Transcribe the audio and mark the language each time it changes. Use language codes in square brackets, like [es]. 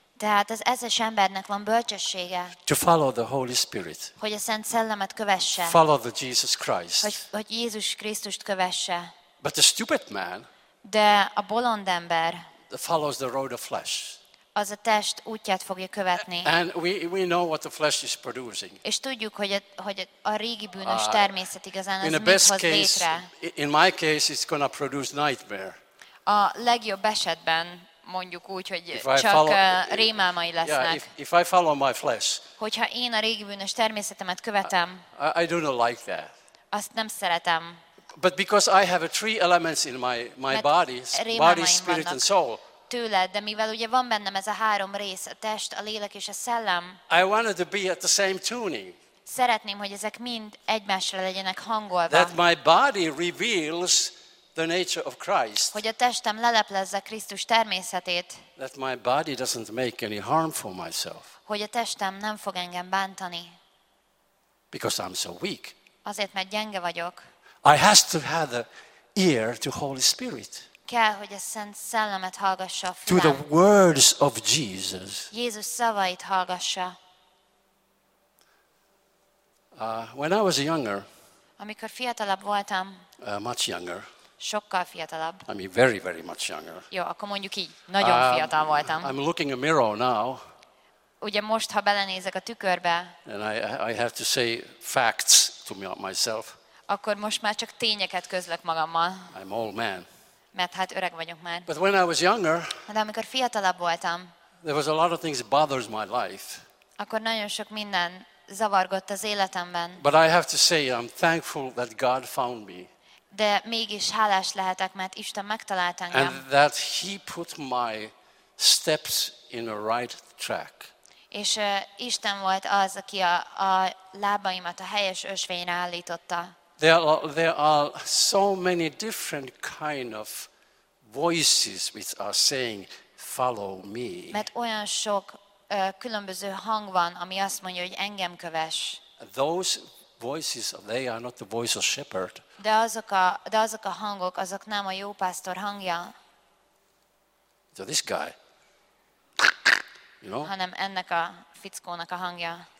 [hu] Tehát az eszes embernek van bölcsessége. [en] To follow the Holy Spirit. [hu] Hogy a Szent Szellemet kövesse. [en] Follow the Jesus Christ. [hu] Hogy Jézus Krisztust kövesse. [en] But the stupid man. [hu] De a bolond ember [en] follows the road of flesh. [hu] Az a test útját fogja követni. [en] And we know what the flesh is producing. [hu] És tudjuk, hogy a régi bűnös természet igazán az mit hoz létre. [en] In my case, it's gonna produce nightmare. [hu] A legjobb esetben mondjuk úgy, hogy csak rémálmai lesznek. [en] Yeah, if I follow my flesh, [hu] hogyha én a régi bűnös természetemet követem, [en] I do not like that. [hu] Azt nem szeretem. [en] But because I have three elements in my body, spirit and soul. [hu] Tőled, de mivel ugye van bennem ez a három rész, a test, a lélek és a szellem. [en] I wanted to be at the same tuning. [hu] Szeretném, hogy ezek mind egymásra legyenek hangolva. [en] That my body reveals the nature of Christ. [hu] Hogy a testem leleplezze Krisztus természetét. [en] That my body doesn't make any harm for myself. [hu] Hogy a testem nem fog engem bántani. [en] Because I'm so weak. [hu] Azért, mert gyenge vagyok. [en] I have to have the ear to Holy Spirit. [hu] Kell, hogy a Szent Szellemet hallgassa a fülem. [en] To the words of Jesus. [hu] Jézus szavait hallgassa. [en] When I was younger. [hu] Amikor fiatalabb voltam. [en] Much younger. [hu] Sokkal fiatalabb. [en] I mean very, very much younger. [hu] Jó, akkor mondjuk így. Nagyon fiatal voltam. [en] I'm looking in a mirror now. [hu] Ugye most, ha belenézek a tükörbe. [en] And I have to say facts to myself. [hu] Akkor most már csak tényeket közlök magammal. [en] I'm old man. [hu] Mert hát öreg vagyok már. [en] But when I was younger, [hu] de amikor fiatalabb voltam, [en] there was a lot of things bothers my life. [hu] Akkor nagyon sok minden zavargott az életemben. [en] But I have to say I'm thankful that God found me. [hu] De mégis hálás lehetek, mert Isten megtalált engem. [en] And that he put my steps in a right track. [hu] És Isten volt az, aki a lábaimat a helyes ösvényre állította. [en] There are so many different kind of voices which are saying, follow me. [hu] Mert olyan sok különböző hang van, ami azt mondja, hogy engem kövess. [en] Those voices, they are not the voice of shepherd. [hu] De azok a hangok, azok nem a jó pásztor hangja. [en] So this guy, you know? [hu] Hanem ennek a fickónak a hangja.